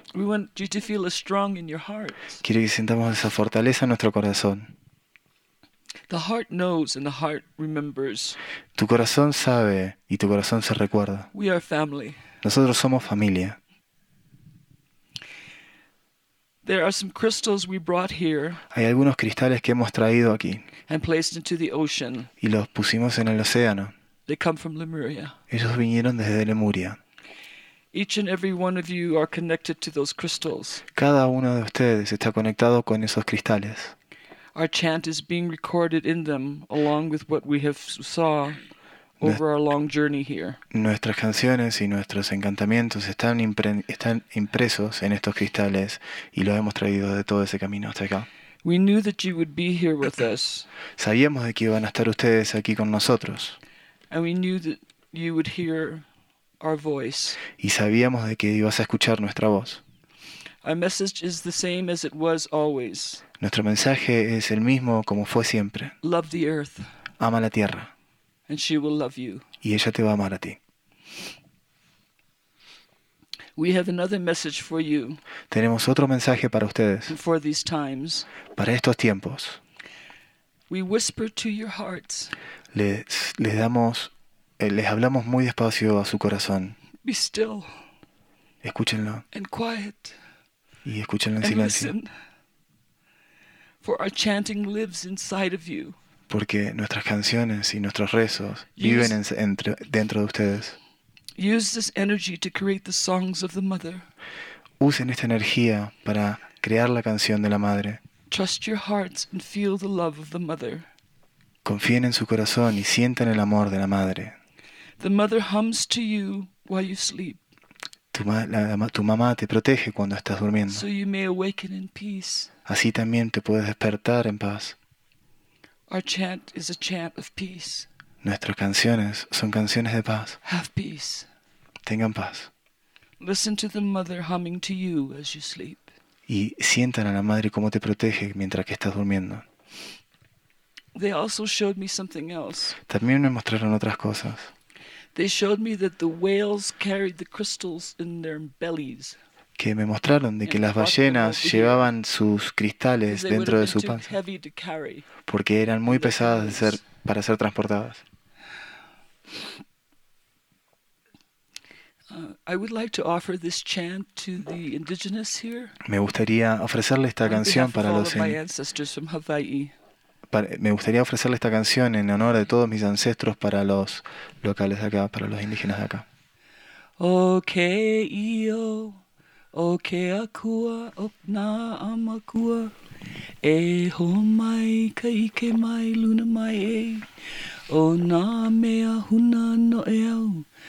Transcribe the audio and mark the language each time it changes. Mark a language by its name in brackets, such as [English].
[English] We want you to feel us strong in your hearts. [Spanish] Quiere que sintamos esa fortaleza en nuestro corazón. [English] The heart knows and the heart remembers. [Spanish] Tu corazón sabe y tu corazón se recuerda. [English] We are family. [Spanish] Nosotros somos familia. [English] There are some crystals we brought here. [Spanish] Hay algunos cristales que hemos traído aquí. [English] And placed into the ocean. [Spanish] Y los pusimos en el océano. [English] They come from Lemuria. [Spanish] Ellos vinieron desde Lemuria. [English] Each and every one of you are connected to those crystals. [Spanish] Cada uno de ustedes está conectado con esos cristales. [English] Our chant is being recorded in them, along with what we have saw over our long journey here. [Spanish] Nuestras canciones y nuestros encantamientos están impresos en estos cristales y los hemos traído de todo ese camino hasta acá. [English] We knew that you would be here with us. [Spanish] Sabíamos de que iban a estar ustedes aquí con nosotros. [English] And we knew that you would hear our voice. [Spanish] Y sabíamos de que ibas a escuchar nuestra voz. [English] Our message is the same as it was always. [Spanish] Nuestro mensaje es el mismo como fue siempre. [English] Love the earth. [Spanish] Ama la tierra. [English] And she will love you. [Spanish] Y ella te va a amar a ti. [English] We have another message for you. [Spanish] Tenemos otro mensaje para ustedes. [English] For these times. [Spanish] Para estos tiempos. [English] We whisper to your hearts. [Spanish] Les hablamos muy despacio a su corazón. [English] Be still. [Spanish] Escúchenlo. [English] And quiet. [Spanish] Y escúchenlo en silencio. [English] For our chanting lives inside of you. [Spanish] Porque nuestras canciones y nuestros rezos viven dentro de ustedes. [English] Use this energy to create the songs of the mother. [Spanish] Usen esta energía para crear la canción de la madre. [English] Trust your hearts and feel the love of the mother. [Spanish] Confíen en su corazón y sientan el amor de la madre. [English] The mother hums to you while you sleep. [Spanish] Tu mamá te protege cuando estás durmiendo. [English] So you may awaken in peace. [Spanish] Así también te puedes despertar en paz. [English] Our chant is a chant of peace. [Spanish] Nuestras canciones son canciones de paz. [English] Have peace. [Spanish] Tengan paz. [English] Listen to the mother humming to you as you sleep. [Spanish] Y sientan a la madre cómo te protege mientras que estás durmiendo. [English] They also showed me something else. [Spanish] También me mostraron otras cosas. [English] They showed me that the whales carried the crystals in their bellies. [Spanish] Que me mostraron de que las ballenas llevaban sus cristales dentro de su panza. Porque eran muy pesadas para ser transportadas. [English] I would like to offer this chant to the indigenous here. [Spanish] Me gustaría ofrecerle esta canción para los Me gustaría ofrecerle esta canción en honor de todos mis ancestros para los locales de acá, para los indígenas de acá. [Hawaiian] Okay, yo. Okeakua okna amakua e ho mai kaike mai luna mai e o na mea huna no eau